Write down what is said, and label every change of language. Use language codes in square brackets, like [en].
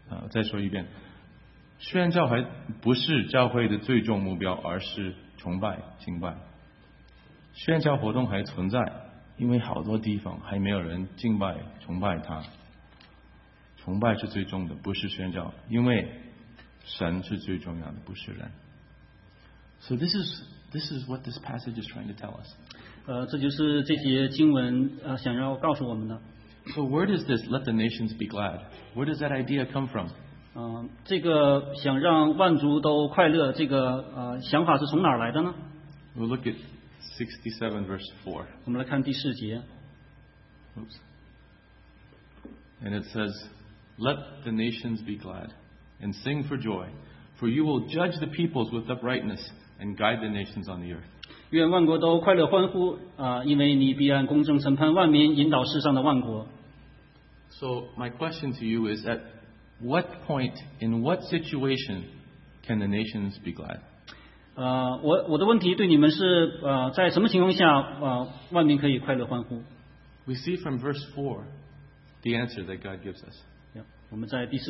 [zh] 再说一遍，宣教还不是教会的最重目标，而是崇拜、敬拜。宣教活动还存在，因为好多地方还没有人敬拜、崇拜他。崇拜是最重的，不是宣教，因为神是最重要的，不是人。 [en] So this is what this passage is trying to tell us. [zh] 这就是这些经文想要告诉我们的。 [en] So where does this let the nations be glad? Where does that idea come from? [zh] 这个想让万族都快乐，这个想法是从哪儿来的呢？ [en] We'll look at 67 verse 4. [zh] 我们来看第四节。 [en] Oops. And it says, "Let the nations be glad and sing for joy." For you will judge the peoples with uprightness and guide the nations on the earth. [zh] 愿万国都快乐欢呼，因为你必按公正审判万民，引导世上的万国。 [en] So my question to you is, at what point, in what situation, can the nations be glad? [zh] 我的问题对你们是，在什么情况下，万民可以快乐欢呼？ [en] We see from verse 4 the answer that God gives us.